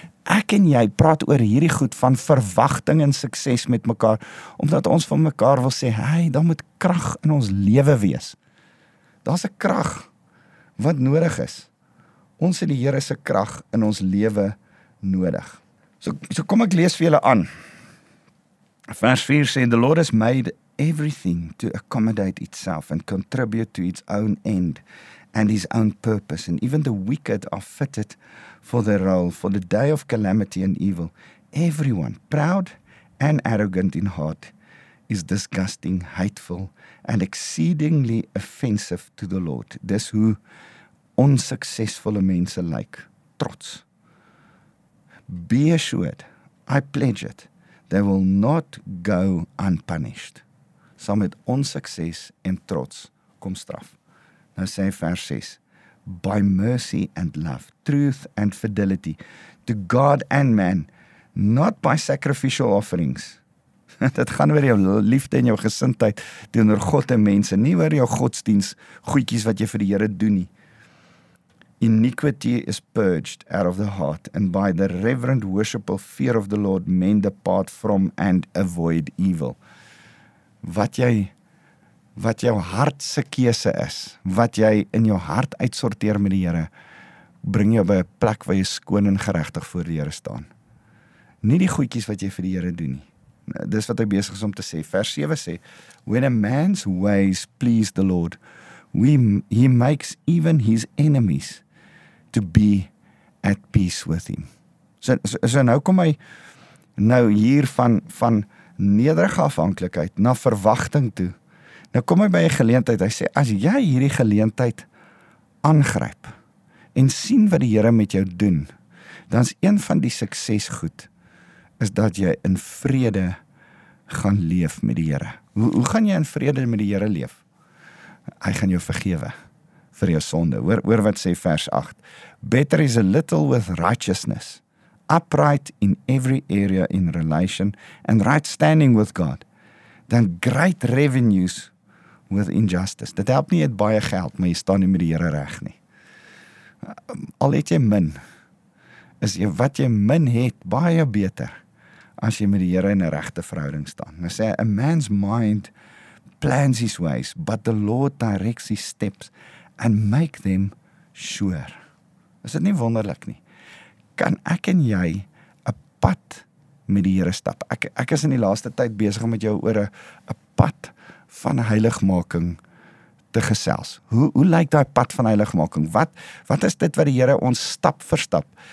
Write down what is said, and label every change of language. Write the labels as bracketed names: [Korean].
[Afrikaans] Ek en jy praat oor hierdie goed van verwagting en sukses met mekaar, omdat ons van mekaar wil sê, hey, daar moet krag in ons lewe wees. Daar's 'n krag wat nodig is. Ons het die Here se krag in ons lewe nodig. So kom ek lees vir julle aan. Vers 4 sê, [English] the Lord has made everything to accommodate itself and contribute to its own end and his own purpose, and even the wicked are fitted for their role, for the day of calamity and evil. Everyone, proud and arrogant in heart, is disgusting, hateful, and exceedingly offensive to the Lord. [Afrikaans] Dis hoe onsuksesvolle mense lyk, trots. [English] Be assured, I pledge it, they will not go unpunished. [Afrikaans] Saam met onsukses en trots kom straf. Nou sê vers 6, [English] by mercy and love, truth and fidelity, to God and man, not by sacrificial offerings. [Afrikaans] Dit gaan oor jou liefde en jou gesindheid teenoor God en mense, nie oor jou godsdiens, goedjies wat jy vir die Here doen nie. [English] Iniquity is purged out of the heart, and by the reverent worshipful fear of the Lord, men depart from and avoid evil. [Afrikaans] Wat jou hart se keuse is, wat jy in jou hart uitsorteer met die Here, bring jou by 'n plek waar jy skoon en geregtig voor die Here staan. Nie die goedjies wat jy vir die Here doen nie. Dis wat hy besig is om te sê. Vers 7 sê, [English] when a man's ways please the Lord, he makes even his enemies to be at peace with him. [Afrikaans] So nou kom hy nou hier van nederige afhanklikheid na verwagting toe. Nou kom hy by 'n geleentheid, hy sê, as jy hierdie geleentheid aangryp en sien wat die Here met jou doen, dan is een van die suksesgoed, is dat jy in vrede gaan leef met die Here. Hoe gaan jy in vrede met die Here leef? Hy gaan jou vergewe vir jou sonde. Hoor wat sê vers 8, [English] better is a little with righteousness, upright in every area in relation and right standing with God, than great revenues with injustice. [Afrikaans] Dit help nie, jy het baie geld, maar jy staan nie met die Here reg nie. Al het jy min, is jy, wat jy min het, baie beter, as jy met die Here in 'n regte verhouding staan. Nou sê, [English] a man's mind plans his ways, but the Lord directs his steps and make them sure. [Afrikaans] Is dit nie wonderlik nie? Kan ek en jy 'n pad met die Here stap? Ek is in die laaste tyd besig om met jou oor 'n pad van heiligmaking te gesels. Hoe lyk daai pad van heiligmaking? Wat is dit wat die Here ons stap vir stap